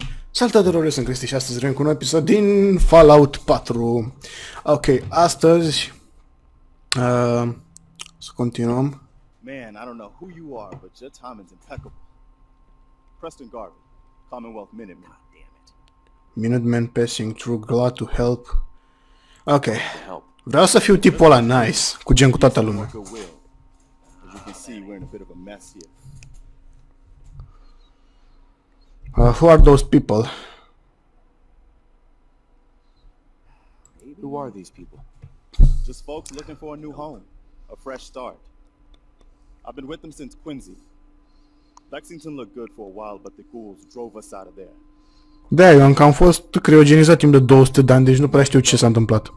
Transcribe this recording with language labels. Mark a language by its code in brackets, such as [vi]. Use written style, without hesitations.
[ro] Salutatorule, sunt Cristi și astăzi revin cu un episod din Fallout 4. Ok, astăzi să continuăm. [en] Man, I don't know who you are, but your time is impeccable. Preston Garvey, Commonwealth Minuteman. God damn it. Minuteman passing through glad to help. Ok. [ro] Vreau să fiu tipul ăla nice, cu gen cu toată lumea. [en] As you can see, we're in a bit of a mess here. Who are those people? Who are these people? Just folks looking for a new home, a fresh start. I've been with them since Quincy. Lexington looked good for a while, but the ghouls drove us out of there. [ro] Da, eu încă am fost criogenizat timp de 200 de ani, deci nu prea știu ce s-a întâmplat.